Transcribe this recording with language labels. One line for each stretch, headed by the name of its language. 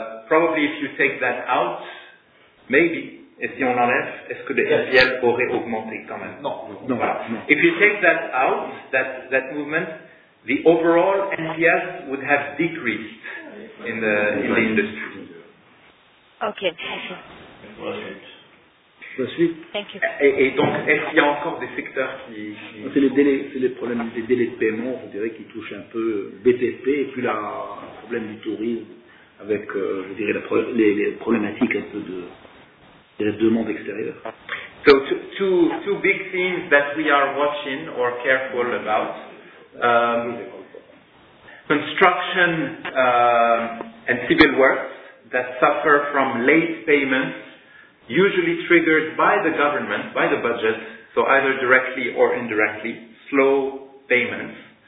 English: Probably if you take that out, maybe,
French: et si on enlève, est-ce que les NPL auraient augmenté quand même? Non.
English: If you take that out, that movement, the overall NPL would have decreased in the industry. Okay.
French: La suite.
English: Thank you.
French: Et donc, est-ce qu'il y a encore des secteurs qui... C'est les problèmes des délais de paiement, on dirait, qui touchent un peu BTP, et puis là, le problème du tourisme, avec, je dirais, les problématiques un peu de demande extérieure.
English: So, two big things that we are watching or careful about. Construction and civil works that suffer from late payments, usually triggered by the government, by the budget, so either directly or indirectly, slow payments.